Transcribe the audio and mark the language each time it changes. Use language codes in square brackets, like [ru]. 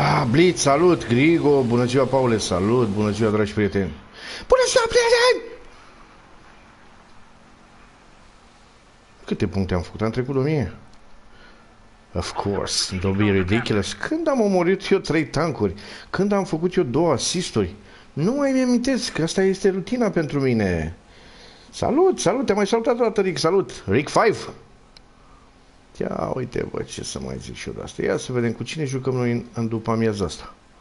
[ro] Blitz, salut, Grigo, bună ziua, Paule, salut, bună ziua, dragi prieteni. Bună ziua, prieteni! Câte puncte am făcut? Am trecut 1000. [en] Of course, don't be ridiculous. [ro] Când am omorât eu 3 tankuri? Când am făcut eu 2 asisturi? Nu mai mi-amintesc, asta este rutina pentru mine. Salut, salut, te-am mai salutat o dată, Rick, salut. Rick 5. Ia, uite, bă, ce să mai zic și eu de asta. Ia să vedem cu cine jucăm noi în după amiaza asta.